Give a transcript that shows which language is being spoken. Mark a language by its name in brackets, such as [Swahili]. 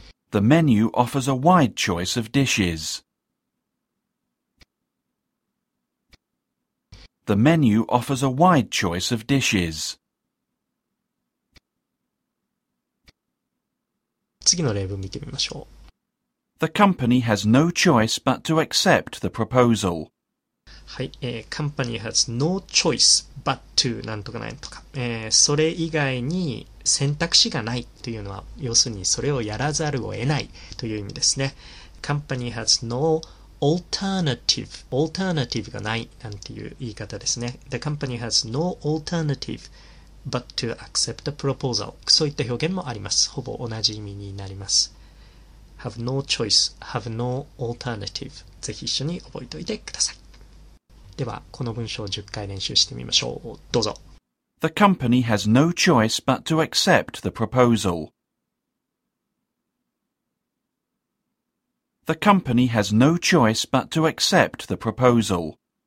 [English] The menu offers a wide choice of dishes. The menu offers a wide choice of dishes. [Japanese] 次の例文見てみましょう。 [English] The company has no choice but to accept the proposal. [Japanese] はい、 [English] company has no choice but to [Japanese] なんとかなんとか、それ以外に選択肢がないというのは、要するにそれをやらざるを得ないという意味ですね。 [English] Company has no choiceAlternative, alternative [Japanese] がないなんていう言い方ですね。 [English] The company has no alternative but to accept the proposal. [Japanese] そういった表現もあります。ほぼ同じ意味になります。 [English] Have no choice, have no alternative. [Japanese] ぜひ一緒に覚えておいてください。では、この文章を10回練習してみましょう。どうぞ。 [English] The company has no choice but to accept the proposal. The company has no choice but to accept the proposal.